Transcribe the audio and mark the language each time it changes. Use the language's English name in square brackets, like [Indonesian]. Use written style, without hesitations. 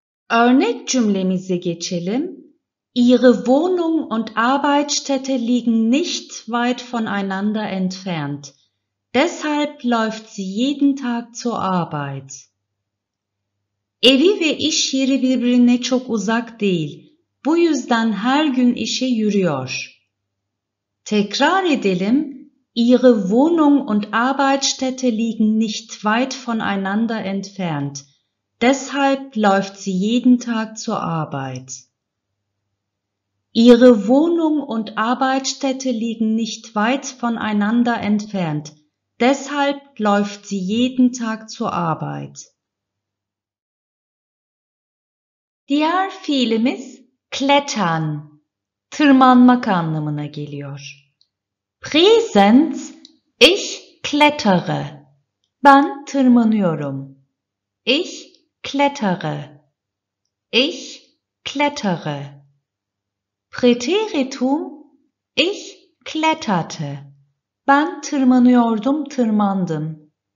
[Turkish] Örnek cümlemize geçelim. [German] Ihre Wohnung und Arbeitsstätte liegen nicht weit voneinander entfernt. Deshalb läuft sie jeden Tag zur Arbeit. [Turkish] Evi ve iş yeri birbirine çok uzak değil. Bu yüzden her gün işe yürüyor. Tekrar edelim. [German] Ihre Wohnung und Arbeitsstätte liegen nicht weit voneinander entfernt. Deshalb läuft sie jeden Tag zur Arbeit. Ihre Wohnung und Arbeitsstätte liegen nicht weit voneinander entfernt. Deshalb läuft sie jeden Tag zur Arbeit. [Turkish] Diğer fiilimiz klettern, tırmanmak anlamına geliyor. [German] Präsens, ich klettere. [Turkish] Ben tırmanıyorum. [German] Ich klettere. Ich klettere. Präteritum, ich kletterte. [Turkish] Ben tırmanıyordum, tırmandım.